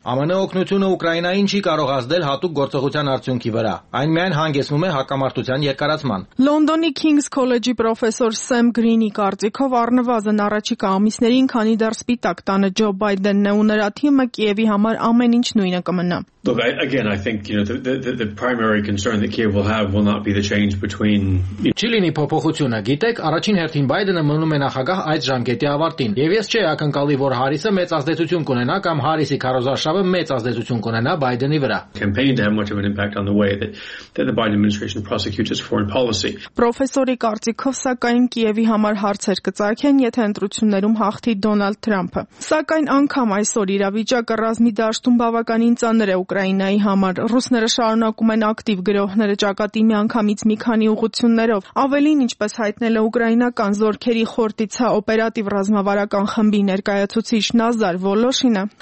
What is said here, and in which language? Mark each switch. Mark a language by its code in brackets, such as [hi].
[hy] ԱՄՆ-ի օգնությունը Ուկրաինային չի կարող ազդել հատուկ գործողության արդյունքի վրա, այն միայն հանգեցնում է հակամարտության երկարացման։ Լոնդոնի King's College-ի պրոֆեսոր Սեմ Գրինի կարծիքով առնվազն առաջիկա ամիսներին, քանի դեռ Սպիտակ տանը Ջո Բայդենն ու նրա թիմը Կիևի համար ամեն ինչ նույնը կմնա։ [en] Look, again, I think, you know, the primary concern that Kiev will have will not be the change between... [hy] Չլինի փոփոխությունը, գիտեք, առաջին հերթին Բայդենը մնում է նախագահ այդ ժամկետի ավարտին, եւ ես չէի ակնկալի, որ Հարիսը մեծ ազդեցություն կունենա կամ Հարիսի քարոզարշավը մեծ ազդեցություն կունենա Բայդենի վրա. [en] Campaign to have much of an impact on the way that the Biden administration prosecutes foreign policy. [hy] Պրոֆեսորի կարծիքով, սակայն, Կիևի համար հարցեր կծագեն, եթե ընտրություններում հաղթի Դոնալդ Թրամփը։ Սակայն անգամ այսօր իրավիճակը ռազմիդաշտում բավականին ծանր է Ուկրաինայի համար։ Ռուսները շարունակում են ակտիվ գրոհները ճակատի միանգամից մի քանի ուղություններով։ Ավելին, ինչպես հայտնել է ուկրաինական զորքերի խորտիցա օպերատիվ ռազմավարական խմբի ներկայացուցիչ Նազար Վոլոշինը,